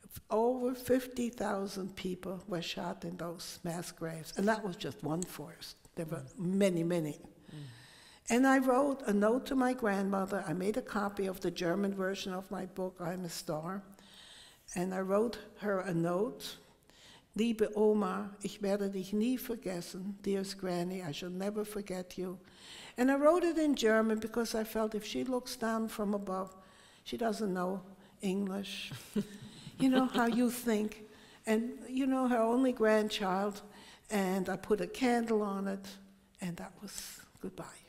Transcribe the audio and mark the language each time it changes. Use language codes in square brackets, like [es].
[en] Over 50,000 people were shot in those mass graves, and that was just one forest. There were many, many. And I wrote a note to my grandmother. I made a copy of the German version of my book, I'm a Star. And I wrote her a note. [de] Liebe Oma, ich werde dich nie vergessen. [en] Dearest Granny, I shall never forget you. And I wrote it in German because I felt if she looks down from above, she doesn't know English. You know how you think. And you know, her only grandchild. And I put a candle on it, and that was goodbye.